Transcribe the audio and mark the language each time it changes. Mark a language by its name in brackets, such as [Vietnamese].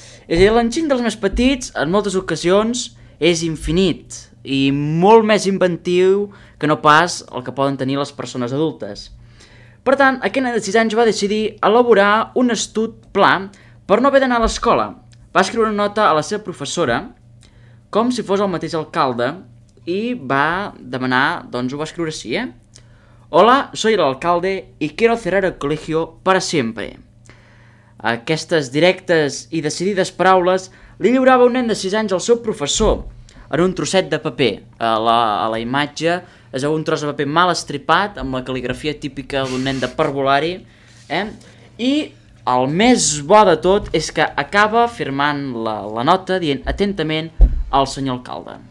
[Catalan] És a dir, l'enginy dels més petits, en moltes ocasions, és infinit i molt més inventiu que no pas el que poden tenir les persones adultes. Per tant, aquest nen de 6 anys va decidir elaborar un astut pla per no haver d'anar a l'escola. Va escriure una nota a la seva professora, com si fos el mateix alcalde, i va demanar, doncs ho va escriure així, eh? [Spanish] Hola, soy el alcalde y quiero cerrar el colegio para siempre. [Catalan] Aquestes directes i decidides paraules li lliurava un nen de 6 anys al seu professor en un trosset de paper. A la imatge es veu un tros de paper mal estripat amb la cal·ligrafia típica d'un nen de parvulari. I el més bo de tot és que acaba firmant la nota dient atentament al senyor alcalde.